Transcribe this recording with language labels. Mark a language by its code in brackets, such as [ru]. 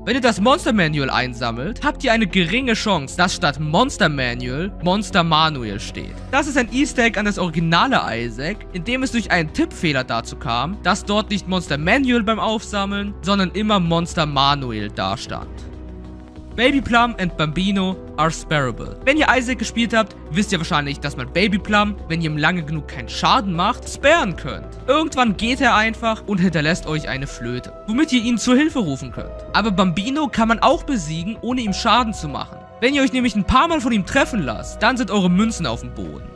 [de] Wenn ihr das Monster Manual einsammelt, habt ihr eine geringe Chance, dass statt Monster Manual Monster Manual steht. Das ist ein Easter Egg an das originale Isaac, in dem es durch einen Tippfehler dazu kam, dass dort nicht Monster Manual beim Aufsammeln, sondern immer Monster Manual dastand. [en] Baby Plum and Bambino are sparable. [de] Wenn ihr Isaac gespielt habt, wisst ihr wahrscheinlich, dass man Baby Plum, wenn ihr ihm lange genug keinen Schaden macht, sparen könnt. Irgendwann geht er einfach und hinterlässt euch eine Flöte, womit ihr ihn zur Hilfe rufen könnt. Aber Bambino kann man auch besiegen, ohne ihm Schaden zu machen. Wenn ihr euch nämlich ein paar Mal von ihm treffen lasst, dann sind eure Münzen auf dem Boden.